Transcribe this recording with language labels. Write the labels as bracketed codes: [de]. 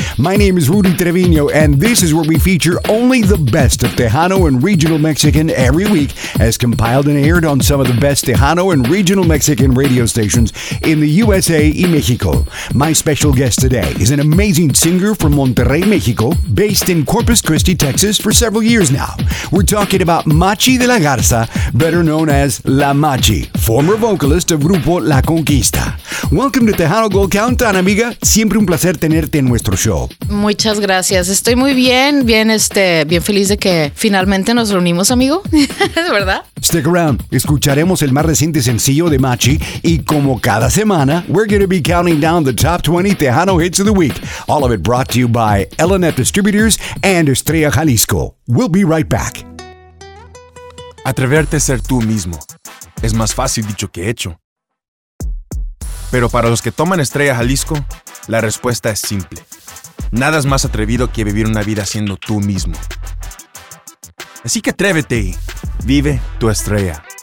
[en] My name is Rudy Treviño, and this is where we feature only the best of Tejano and regional Mexican every week, as compiled and aired on some of the best Tejano and regional Mexican radio stations in the USA y Mexico. My special guest today is an amazing singer from Monterrey, Mexico, based in Corpus Christi, Texas, for several years now. We're talking about Machi de la Garza, better known as La Machi, former vocalist of Grupo La Conquista. Welcome to Tejano Gold Countdown, amiga. [es] Siempre un placer tenerte en nuestro show. Muchas gracias. Estoy muy bien, bien feliz de que finalmente nos reunimos, amigo. ¿Es verdad? [en] Stick around. [es] Escucharemos el más reciente sencillo de Machi y como cada semana, [en] we're going to be counting down the top 20 Tejano hits of the week. All of it brought to you by Elanet Distributors and Estrella Jalisco. We'll be right back. [es] Atreverte a ser tú mismo es más fácil dicho que hecho. Pero para los que toman Estrella Jalisco, la respuesta es simple. Nada es más atrevido que vivir una vida siendo tú mismo. Así que atrévete y vive tu estrella.